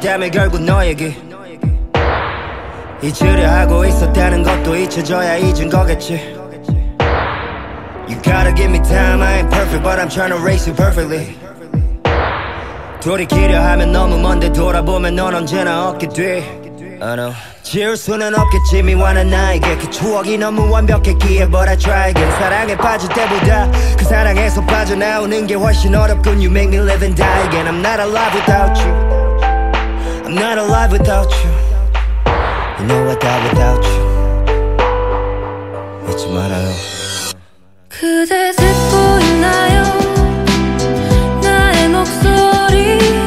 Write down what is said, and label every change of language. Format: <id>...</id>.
<ko>결국 너에게 잊으려 하고 있었다는 것도 잊혀져야 잊은 거겠지.</ko> <en>You gotta give me time. I ain't perfect but I'm trying to race you perfectly.</en> <ko>돌이키려 하면 너무 먼데 돌아보면 넌 언제나 없게 돼.</ko> <en>I know.</en> <ko>지울 수는 없겠지 미워한 나에게 그 추억이 너무 완벽했기에</ko> <en>But I try again</en> <ko>사랑에 빠질 때보다 그 사랑에서 빠져나오는 게 훨씬 어렵군</ko> <en>You make me live and die again I'm not alive without you I'm not alive without you You know I die without you</en> <ko>잊지 말아요 그대 듣고 있나요 나의 목소리</ko>